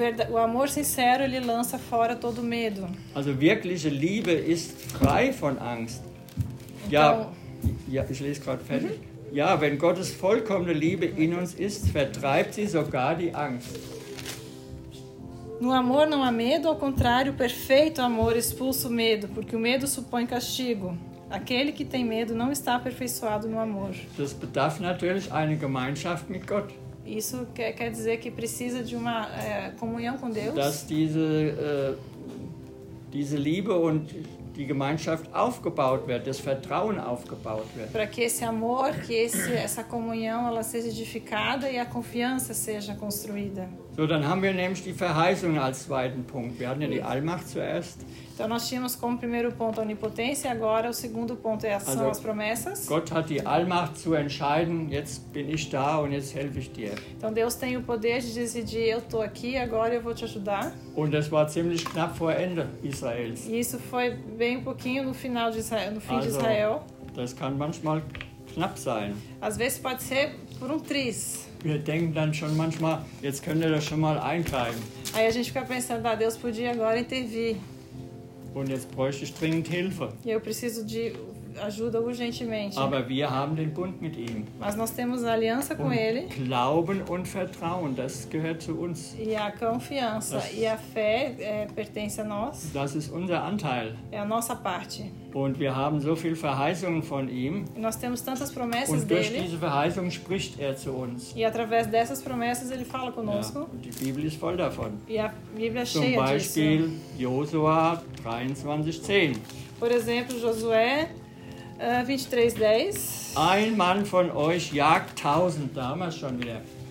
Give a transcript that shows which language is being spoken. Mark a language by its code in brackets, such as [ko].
[pt] O amor sincero, ele lança fora todo medo. [de] Also wirkliche Liebe ist frei von Angst. Então, ja, ich lese gerade fertig. Uh-huh. Ja, wenn Gottes vollkommene Liebe in uns ist, vertreibt sie sogar die Angst. [pt] No amor não há medo, ao contrário, o perfeito amor expulsa o medo, porque o medo supõe castigo. Aquele que tem medo não está aperfeiçoado no amor. [de] Das bedarf natürlich eine Gemeinschaft mit Gott. [pt] Isso quer dizer que precisa de uma comunhão com Deus. [de] Dass diese Liebe und die Gemeinschaft aufgebaut wird, das Vertrauen aufgebaut wird. [pt] Para que esse amor, que essa comunhão, ela seja edificada e a confiança seja construída. [de] So, dann haben wir nämlich die Verheißung als zweiten Punkt. Wir hatten ja die Allmacht zuerst. [pt] Então nós tínhamos como primeiro ponto a onipotência, agora o segundo ponto é ação, as promessas. [de] Gott hat die Allmacht zu entscheiden, jetzt bin ich da und jetzt helfe ich dir. [pt] Então Deus tem o poder de decidir, eu estou aqui, agora eu vou te ajudar. [de] Und das war ziemlich knapp vor Ende Israels. [pt] E isso foi bem um pouquinho no final de Israel, no fim [de] also, [pt] de Israel. [de] Das kann manchmal knapp sein. [pt] Às vezes pode ser por triz. [de] Wir denken dann schon manchmal, jetzt könnt ihr das schon mal eingreifen. [pt] Aí a gente fica pensando, ah, Deus podia agora intervir. [de] Und jetzt bräuchte ich dringend Hilfe. [pt] E eu preciso de ajuda urgentemente. [de] Aber wir haben den Bund mit ihm. [pt] Mas nós temos a aliança com ele. [de] Glauben und Vertrauen, das gehört zu uns. [pt] E a confiança e a fé pertence a nós. [de] Das ist unser Anteil. [pt] É a nossa parte. [de] Und wir haben so viel Verheißungen von ihm. [pt] Nós temos tantas promessas dele. [de] Und durch diese Verheißungen spricht er zu uns. [pt] E através dessas promessas ele fala conosco. [de] Ja, die Bibel ist voll davon. [pt] E a Bíblia cheia disso. [de] Zum Beispiel Josua 23:10. [pt] Por exemplo, Josué 23:10. [de] Ein Mann von euch jagt 1000, damals schon wieder.